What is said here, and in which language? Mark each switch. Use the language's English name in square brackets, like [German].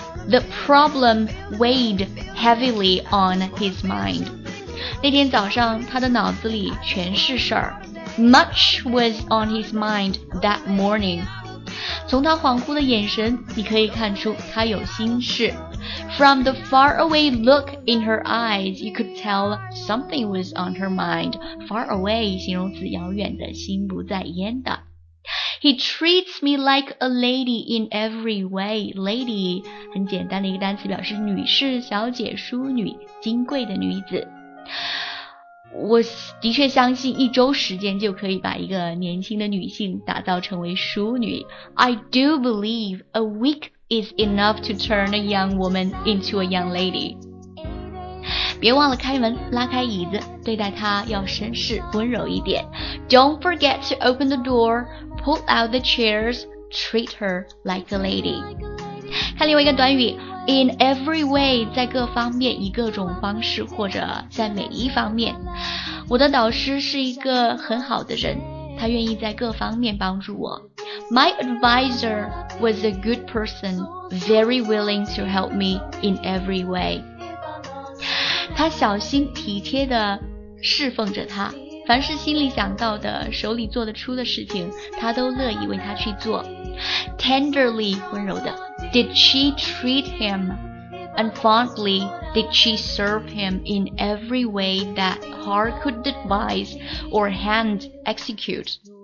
[English] The problem weighed heavily on his mind. [Chinese] 那天早上，她的脑子里全是事儿。 [English] Much was on his mind that morning. [Chinese] 从她恍惚的眼神，你可以看出她有心事。 [English] From the faraway look in her eyes, you could tell something was on her mind. [Chinese] Far away, 形容词遥远的，心不在焉的。 [English] He treats me like a lady in every way. [Chinese] Lady, 很简单的一个单词，表示女士、小姐、淑女、金贵的女子。我的确相信一周时间就可以把一个年轻的女性打造成为淑女。 [English] I do believe a week is enough to turn a young woman into a young lady. [Chinese] 别忘了开门，拉开椅子，对待她要绅士，温柔一点。 [English] Don't forget to open the door, pull out the chairs, treat her like a lady. [Chinese] 看另外一个短语In every way, 在各方面，以各种方式，或者在每一方面。我的导师是一个很好的人，他愿意在各方面帮助我。 [English] My advisor was a good person, very willing to help me in every way. [Chinese] 他小心体贴地侍奉着他，凡是心里想到的，手里做得出的事情，他都乐意为他去做。 [English] Tenderly, [Chinese] 温柔的。 [English] Did she treat him? And fondly, did she serve him in every way that heart could devise or hand execute?